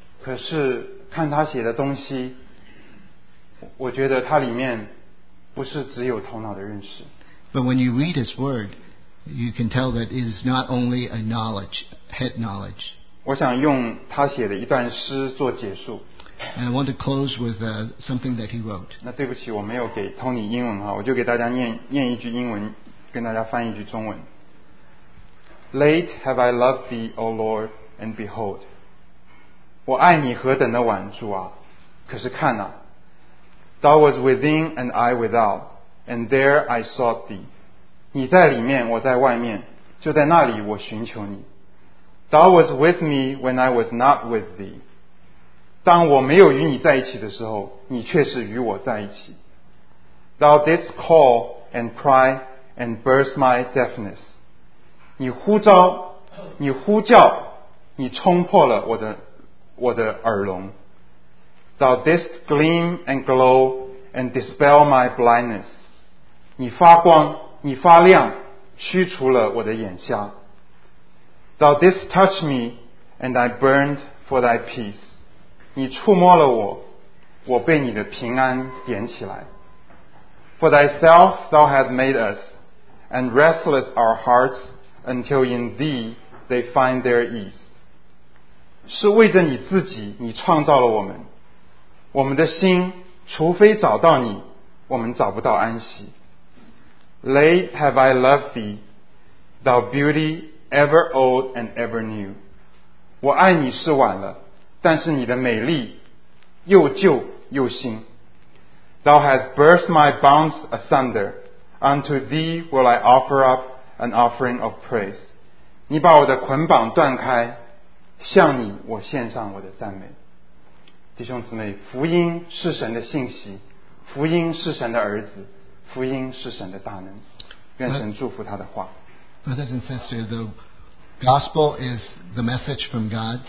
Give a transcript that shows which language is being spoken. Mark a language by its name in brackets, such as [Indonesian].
[Chinese] 可是看他写的东西, 我觉得他里面不是只有头脑的认识。 [English] But when you read his word, you can tell that it is not only a knowledge, head knowledge. [Chinese] 我想用他写的一段诗做结束。 [English] And I want to close with something that he wrote. [Chinese] 那对不起, 我没有给Tony英文, 我就给大家念一句英文,跟大家翻译一句中文。 [English] Late have I loved thee, O Lord, and behold, [Chinese] 我爱你何等的晚,主啊, 可是看啊, [English] Thou was within and I without, and there I sought thee. [Chinese] 你在里面,我在外面, 就在那里我寻求你。 [English] Thou was with me when I was not with thee. [Chinese] 当我没有与你在一起的时候, 你却是与我在一起。 [English] Thou didst call and cry and burst my deafness. [Chinese] 你呼召, 你呼叫, 你冲破了我的耳聋。 [English] Thou didst gleam and glow and dispel my blindness. [Chinese] 你发光, 你发亮, 驱除了我的眼瞎。 [English] Thou didst touch me, and I burned for thy peace. [Chinese] 你触摸了我, 我被你的平安点起来。 [English] For thyself thou hast made us, and restless our hearts, until in thee they find their ease. [Chinese] 是为着你自己, 你创造了我们。我们的心, 除非找到你, 我们找不到安息。 [English] Late have I loved thee, thou beauty, ever old and ever new. [Chinese] 我爱你是晚了,但是你的美丽又旧又新. [English] Thou hast burst my bonds asunder. Unto thee will I offer up an offering of praise. [Chinese] 你把我的捆绑断开,向你我献上我的赞美。弟兄姊妹,福音是神的信息,福音是神的儿子,福音是神的大能。愿神祝福他的话。 [English] Brothers and sisters, the gospel is the message from God.